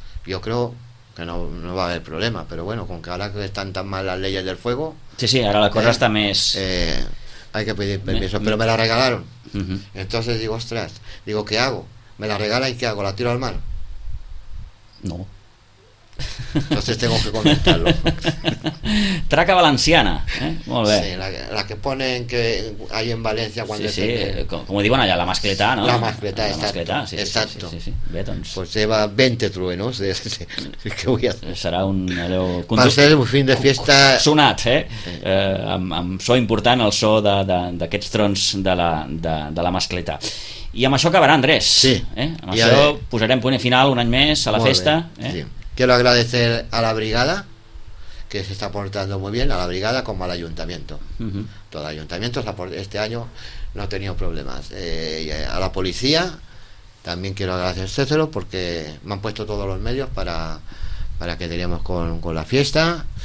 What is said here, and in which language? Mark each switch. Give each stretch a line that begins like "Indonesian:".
Spanish: Yo creo que no va a haber problema, pero bueno, con que ahora que están tan mal las leyes del fuego. Sí, sí, ahora la cosa está más... Hay que pedir permiso, pero me la regalaron. Uh-huh. Entonces digo, ostras, digo, ¿qué hago? ¿Me la regala y qué hago? ¿La tiro al mar? No. Entonces tengo que comentarlo.
Catalan: Traca valenciana, molt bé.
Spanish: Sí, la que ponen que hay en València quan...
Catalan: Sí, sí, com diuen allà, la mascletà, no?
Spanish: La mascletà, exacto. La mascletà, sí, exacto. Sí, sí, sí, sí.
Catalan: Bé, doncs...
Spanish: Pues lleva 20 truenos, sí,
Catalan: que vull
Spanish: hacer.
Catalan: Serà un... Va ser un
Spanish: fin de fiesta...
Catalan: Sonat, amb so important, el so d'aquests trons de la mascletà. I amb això acabarà, Andrés. Sí. Amb això ara... posarem punt final un any més a la festa. Sí.
Spanish: Quiero agradecer a la brigada, que se está portando muy bien, a la brigada como al ayuntamiento. Uh-huh. Todo el ayuntamiento este año no ha tenido problemas. A la policía también quiero agradecérselo, porque me han puesto todos los medios para que teníamos con la fiesta.